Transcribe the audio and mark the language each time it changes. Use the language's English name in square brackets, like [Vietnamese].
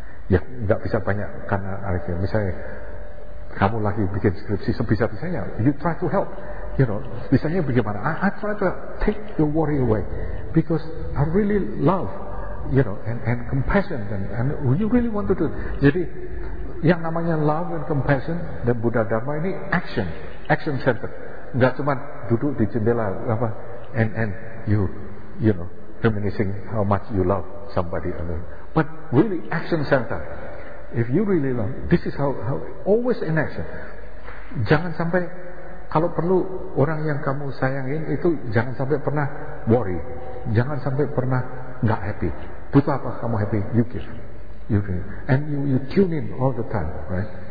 [Indonesian] Ya, enggak bisa banyak karena akhirnya. Misalnya kamu lagi bikin skripsi, sebisa-bisanya [English] you try to help, you know, [Indonesian] bisanya bagaimana, [English] I try to take your worry away, because I really love, you know, and compassion, and you really want to do. [Indonesian] Jadi yang namanya [English] love and compassion dan Buddha Dharma ini action center, [Indonesian] enggak cuma duduk di jendela apa, [English] and you know, reminiscing how much you love somebody, but really action center. If you really love, this is how always in action. [Indonesian] Jangan sampai, kalau perlu orang yang kamu sayangin itu jangan sampai pernah worry, jangan sampai pernah enggak happy. Butuh apa kamu happy? [English] You give, you give, and you tune in all the time, right?